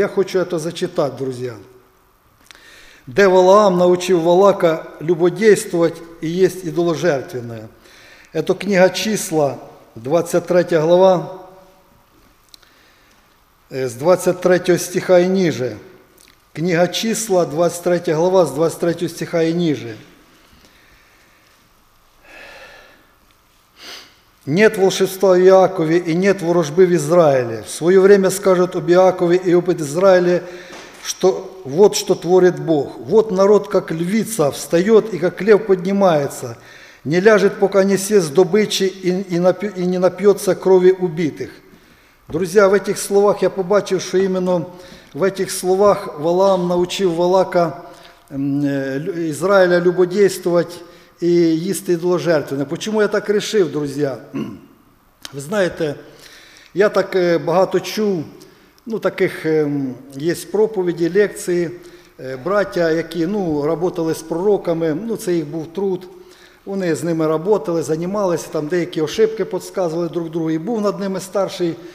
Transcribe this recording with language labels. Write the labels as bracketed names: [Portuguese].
[Ukrainian] Я хочу це зачитати, друзі. «Де Валаам навчив Валака любодействувати і їсти ідоложертвенне». Це книга Числа, 23 глава, з 23 стиха і ніже. Книга Числа, 23 глава, з 23 стиха і ніже. [Russian] «Нет волшебства в Иакове и нет ворожбы в Израиле. В свое время скажут об Иакове и об Израиле, что вот что творит Бог. Вот народ, как львица, встает и как лев поднимается, не ляжет, пока не съест добычи и не напьется крови убитых». Друзья, в этих словах я побачив, что именно в этих словах Валаам научив Валака Израиля любодействовать [Ukrainian] і їсти ідоложертвенне. Почому я так рішив, друзі? Ви знаєте, я так багато чув, ну, таких є проповіді, лекції, браття, які, ну, працювали з пророками, ну, це їх був труд. Вони з ними працювали, займалися, там деякі ошибки підказували друг другу. І був над ними старший.